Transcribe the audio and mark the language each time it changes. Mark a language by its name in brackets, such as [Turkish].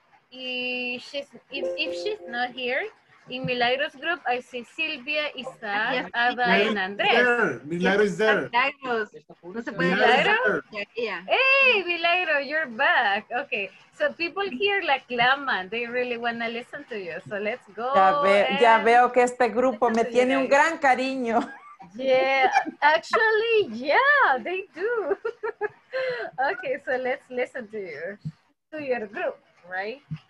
[English] If she's not here, in Milagro's group, I see Silvia, Isaac, yes, Ada, and Andres. Milagro is there. Milagro's. Milagro? Yeah. Hey, Milagro, you're back. Okay, so people here like Laman, they really want to listen to you. So let's go. [Spanish] Ya veo que este grupo me tiene un gran cariño. [English] Yeah, actually, yeah, they do. Okay, so let's listen to your group, right?